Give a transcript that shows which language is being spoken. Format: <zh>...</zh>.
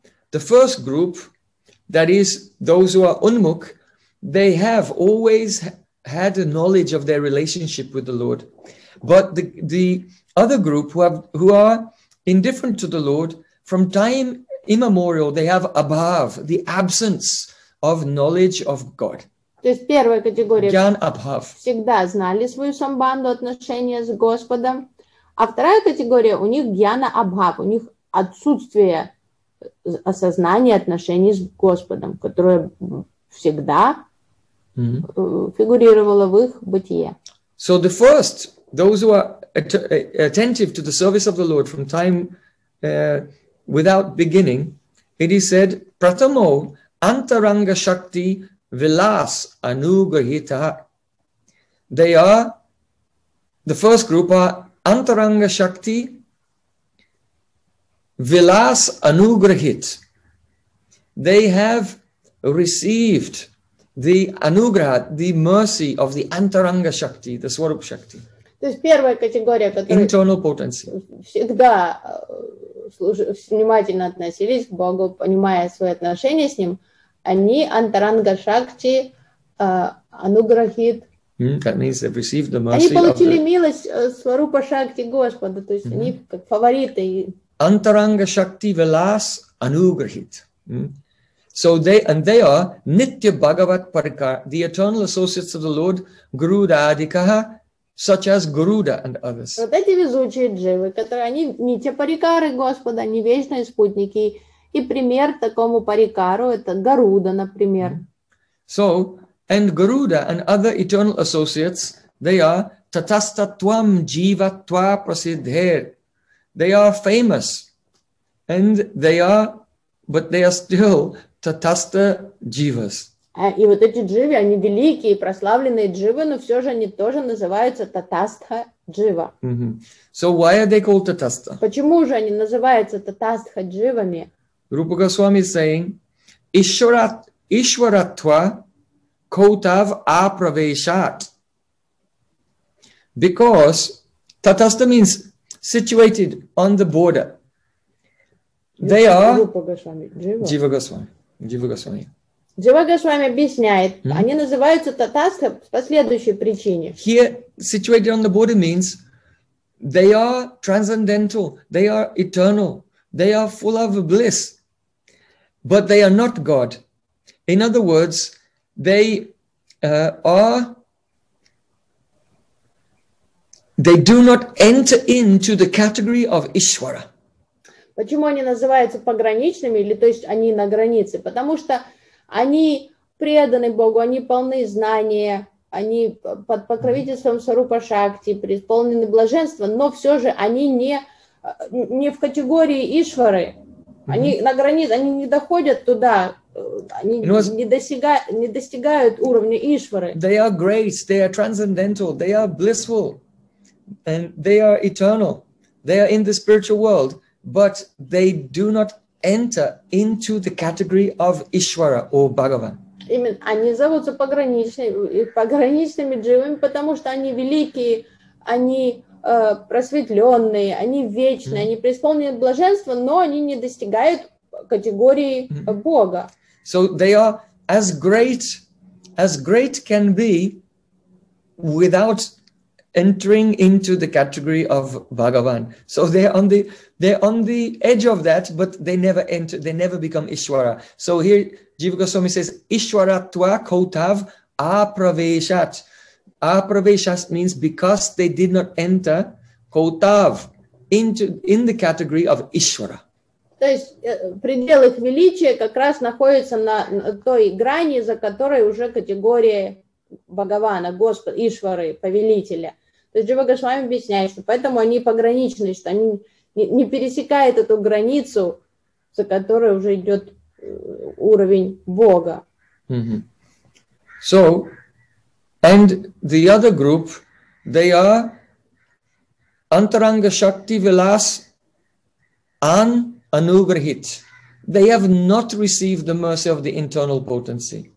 <en>The first group, that is those who are unmukh, they have always had a knowledge of their relationship with the Lord. But the other group who are indifferent to the Lord, from time immemorial, they have abhav, the absence of knowledge of God.</en> <ru>То есть первая категория.</ru> <sa>Gyan abhav.</sa> <ru>Всегда знали свою самбанду, отношения с Господом. А вторая категория, у них гьяна абхав, у них отсутствие осознания отношений с Господом, которое всегда фигурировало в их бытие.</ru> <en>So the first, those who are attentive to the service of the Lord from time without beginning, it is said,</en> <sa>pratamo antaranga shakti vilas anugrahita.</sa> <en>They are, the first group are antaranga shakti vilas anugrahit. They have received the anugraha, the mercy of the antaranga shakti, the swarup shakti.</en> <ru>То есть первая категория, которая</ru> <en>internal potency.</en> <ru>Всегда внимательно относились к Богу, понимая свои отношения с Ним, они антаранга шакти, ануграхит,</ru> <en>That means they've received the mercy of the...</en> <ru>милость, Сварупа Шакти Господа, то есть они как фавориты.</ru> <sa>Antaranga Shakti Vilas Anugrahit.</sa> <en>So they, and they are Nitya Bhagavat Parika, the eternal associates of the Lord, Guruda Adikaha, such as Garuda and others.</en> <ru>Вот эти везучие дживы, которые они Нитья Парикары Господа, они вечные спутники. И пример такому парикару это Гаруда, например. So, and Garuda and other eternal associates, they are Tatastatvam Jivatva Prasiddher. They are famous. And they are, but they are still Tatasta Jivas. И вот эти дживы, они великие, прославленные дживы, но все же они тоже называются татастха джива.</ru> <en>Mm-hmm. So why are they called татаста?</en> <ru>Почему же они называются татастха дживами?</ru> <sa>Рупа Госвами</sa> <en>saying,</en> <sa>Ишваратва котав аправешат.</sa> <en>Because татаста means situated on the border. They are...</en> <ru>Рупа Госвами, джива Госвами. Джива Госвами объясняет, они называются татастха по следующей причине.</ru> <en>Here, situated on the border means they are transcendental, they are eternal, they are full of bliss, but they are not God. In other words, they are, they do not enter into the category of Ishvara.</en> <ru>Почему они называются пограничными, или то есть они на границе? Потому что они преданы Богу, они полны знания, они под покровительством Сварупа Шакти, преисполнены блаженства, но все же они не в категории Ишвары. Они на границе, они не доходят туда, они не достигают уровня Ишвары.</ru> <en>They are great, they are transcendental, they are blissful, and they are eternal. They are in the spiritual world, but they do not enter into the category of Ishvara or Bhagavan. Именно они зовутся пограничными дживами, потому что они великие, они просветленные, они вечные, они преисполнены блаженства, но они не достигают категории Бога. So they are as great can be without entering into the category of Bhagavan. So they're on the edge of that, but they never enter, they never become Ishvara. So here Jiva Goswami says,</en> <sa>Ishvaratva kotav apraveshat.</sa> <en>Apraveshat means because they did not enter kotav in the category of Ishvara.</en> <ru>То есть предел их величия как раз находится на той грани, за которой уже категория Бхагавана, Господа, Ишвары, повелителя. То есть Джива Госвами объясняет, что поэтому они пограничные, что они не пересекают эту границу, за которой уже идет уровень Бога. Mm-hmm.</ru> <en>So, and the other group, they are Antaranga Shakti Vilas An Anugrahit. They have not received the mercy of the internal potency.</en>